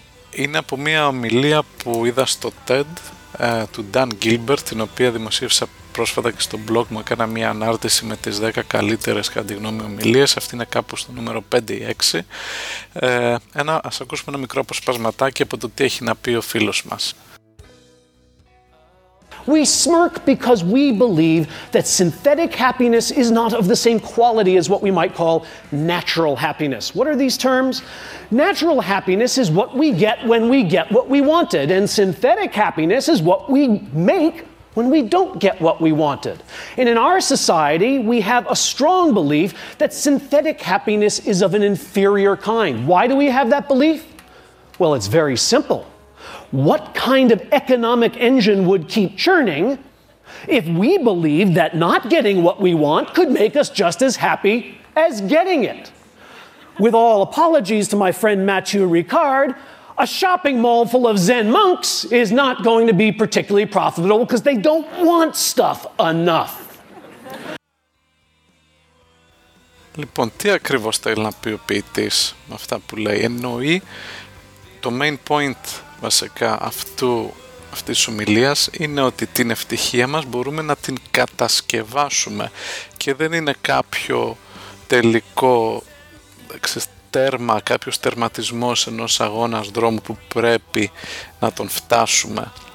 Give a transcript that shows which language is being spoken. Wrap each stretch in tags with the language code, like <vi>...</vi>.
<el>Είναι από μια ομιλία που είδα στο TED του Dan Gilbert, την οποία δημοσίευσα πρόσφατα και στο blog μου. Έκανα μια ανάρτηση με τις 10 καλύτερες κατά τη γνώμη ομιλίες. Αυτή είναι κάπου στο νούμερο 5 ή 6. Ας ακούσουμε ένα μικρό αποσπασματάκι από το τι έχει να πει ο φίλος μας.</el> <en>We smirk because we believe that synthetic happiness is not of the same quality as what we might call natural happiness. What are these terms? Natural happiness is what we get when we get what we wanted, and synthetic happiness is what we make when we don't get what we wanted. And in our society, we have a strong belief that synthetic happiness is of an inferior kind. Why do we have that belief? Well, it's very simple. What kind of economic engine would keep churning if we believed that not getting what we want could make us just as happy as getting it? With all apologies to my friend Mathieu Ricard, a shopping mall full of Zen monks is not going to be particularly profitable because they don't want stuff enough.</en> <el>Λοιπόν, τι ακριβώς θέλει να πει ο ποιητής με αυτά που λέει? Εννοεί το main point βασικά αυτής της ομιλίας είναι ότι την ευτυχία μας μπορούμε να την κατασκευάσουμε και δεν είναι κάποιο τελικό τέρμα, κάποιος τερματισμός ενός αγώνας δρόμου που πρέπει να τον φτάσουμε.</el>